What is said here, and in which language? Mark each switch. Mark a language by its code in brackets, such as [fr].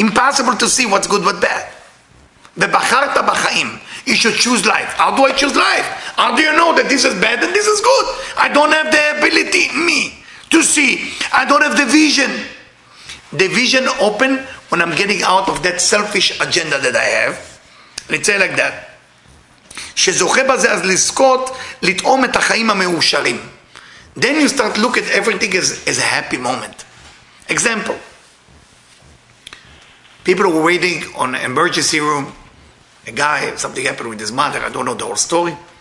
[en] Impossible to see what's good, what bad. [he] Bebacharta b'chaim. [en] You should choose life. How do I choose life? How do you know that this is bad and this is good? I don't have the ability, me, to see. I don't have the vision. The vision open when I'm getting out of that selfish agenda that I have. Let's say like that. [he] שזוכה בזה אז לזכות לטעום את החיים המאושרים. [en] Then you start look at everything as a happy moment. Example. People were waiting on an emergency room. A guy, something happened with his mother. I don't know the whole story.